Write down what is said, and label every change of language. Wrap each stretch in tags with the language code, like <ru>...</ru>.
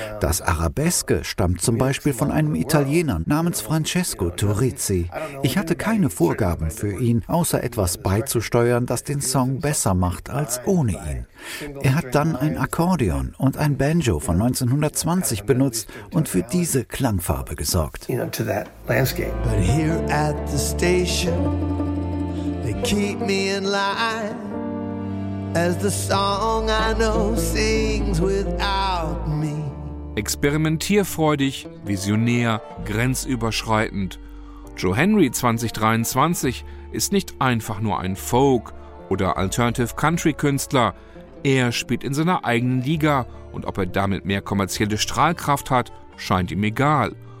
<de>Das Arabeske stammt zum Beispiel von einem Italiener namens Francesco Turizi. Ich hatte keine Vorgaben für ihn, außer etwas beizusteuern, das den Song besser macht als ohne ihn. Er hat dann ein Akkordeon und ein Banjo von 1920 benutzt und für diese Klangfarbe gesorgt.</de> <en>You know, to that landscape. But here at the station, they keep me in line as the song I know sings without me.</en> <de>Experimentierfreudig, visionär, grenzüberschreitend. Joe Henry 2023 ist nicht einfach nur ein Folk- oder Alternative-Country-Künstler. Er spielt in seiner eigenen Liga und ob er damit mehr kommerzielle Strahlkraft hat, scheint ihm egal.</de>